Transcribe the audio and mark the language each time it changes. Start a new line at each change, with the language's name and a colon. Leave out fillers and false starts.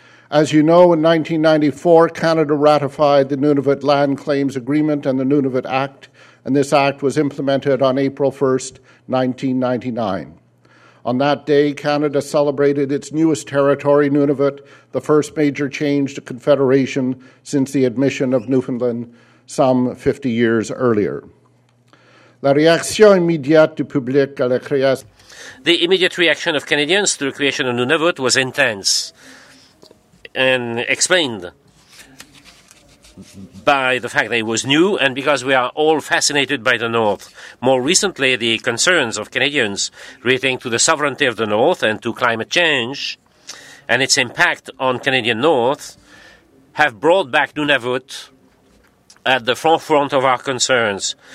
English: As you know, in 1994, Canada ratified the Nunavut Land Claims Agreement and the Nunavut Act, and this act was implemented on April 1, 1999. On that day, Canada celebrated its newest territory, Nunavut, the first major change to Confederation since the admission of Newfoundland some 50 years earlier.
French: La réaction immédiate du public à la création.
English: The immediate reaction of Canadians to the creation of Nunavut was intense and explained by the fact that it was new and because we are all fascinated by the North. More recently, the concerns of Canadians relating to the sovereignty of the North and to climate change and its impact on Canadian North have brought back Nunavut at the forefront of our concerns.